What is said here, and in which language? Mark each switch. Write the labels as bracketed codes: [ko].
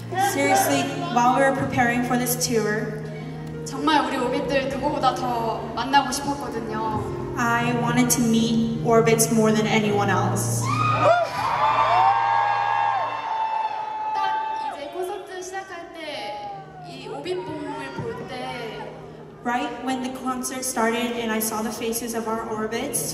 [en] Seriously, while we were preparing for this tour, [ko] 정말 우리 오빗들 누구보다 더 만나고 싶었거든요. [en] I wanted to meet Orbits more than anyone else. [ko] 딱 이제 콘서트 시작할 때 이 오빗봉을 볼 때 [en] Right when the concert started and I saw the faces of our Orbits,